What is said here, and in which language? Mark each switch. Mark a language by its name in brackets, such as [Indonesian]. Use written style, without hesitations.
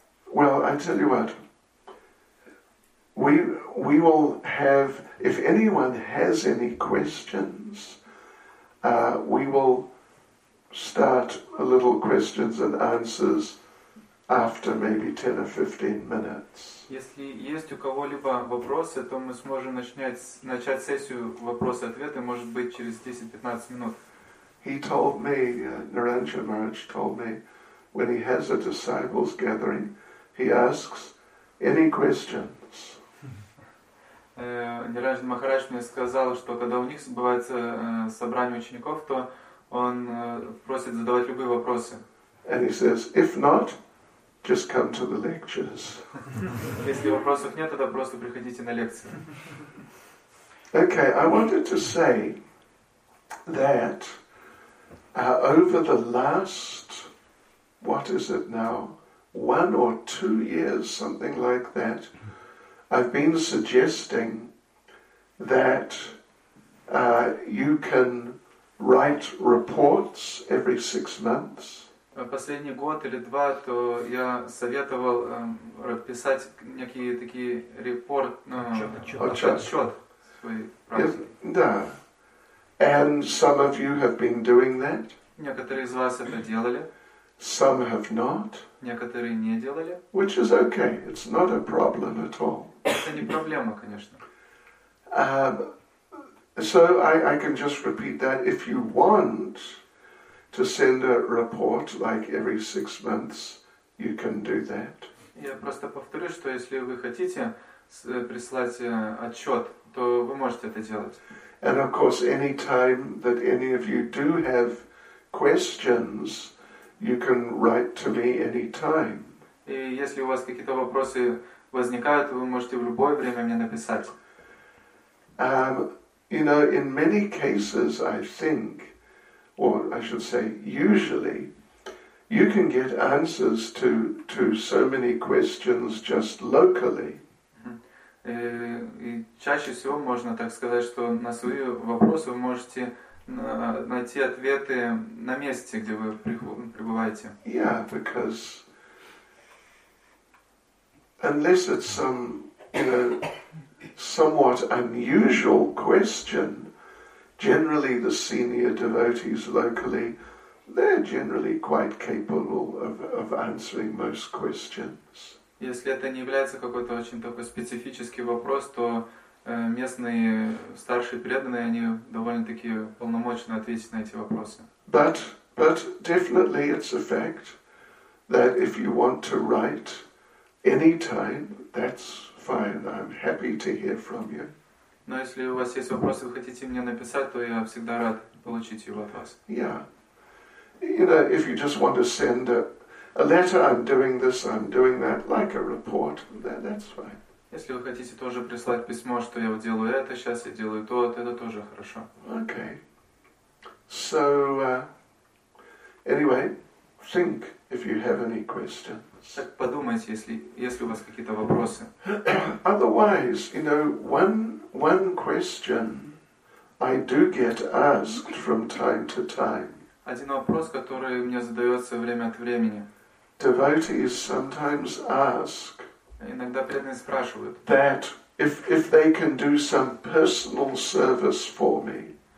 [English] Well, I tell you what, we will have, if anyone has any questions, we will start a little questions and answers after maybe 10 or 15 minutes. [Russian] Если есть у кого-либо вопросы, то мы сможем начать сессию вопросы-ответы, может быть, через 10-15 минут. [English] He told me, Niranjan Maharaj told me, when he has a disciples gathering, he asks any questions. [Russian] Ниранджан Махарадж мне сказал, что когда у них бывает собрание учеников, то он просит задавать любые вопросы. [English] And he says, if not, just come to the lectures. [Russian] Если вопросов нет, тогда просто приходите на лекции. [English] Okay, I wanted to say that over the last, what is it now? 1 or 2 years, something like that, I've been suggesting that you can write reports every 6 months. [Russian] Последний год или два, то я советовал писать некие такие репорт, отчет своей практики. Да. [English] And some of you have been doing that. [Russian] Некоторые из вас это делали. [English] Some have not. [Russian] Некоторые не делали. [English] Which is okay. It's not a problem at all. [Russian] Это не проблема, конечно. [English] So I can just repeat that. If you want to send a report like every 6 months, you can do that. [Russian] Я просто повторю, что если вы хотите прислать отчет, то вы можете это делать. [English] And of course, any time that any of you do have questions, you can write to me any time. [Russian] И если у вас какие-то вопросы возникают, вы можете в любое время мне написать. [English] You know, in many cases, I think, or I should say, usually, you can get answers to so many questions just locally. [Russian] И чаще всего можно так сказать, что на свои вопросы вы можете найти ответы на месте, где вы пребываете. [English] Yeah, because unless it's some, you know, somewhat unusual question, generally the senior devotees locally, they're generally quite capable of answering most questions. [Russian] Если это не является какой-то очень такой специфический вопрос, то местные старшие преданные, они довольно-таки полномочны ответить на эти вопросы. [English] But definitely it's a fact that if you want to write any time, that's fine. I'm happy to hear from you. [Russian] Но если у вас есть вопросы, вы хотите мне написать, то я всегда рад получить его от вас. [English] Yeah. You know, if you just want to send a letter, I'm doing this, I'm doing that, like a report, that's fine. [Russian] Если вы хотите тоже прислать письмо, что я делаю это сейчас, я делаю то, это тоже хорошо. [English] Okay. So, anyway, think if you have any questions. [Russian] Так подумайте, если у вас какие-то вопросы. [English] Otherwise, you know, one question I do get asked from time to time. [Russian] Один вопрос, который мне задается время от времени. [English] Devotees sometimes ask [Russian] иногда преданные спрашивают, [English] that if they can do some personal service for me,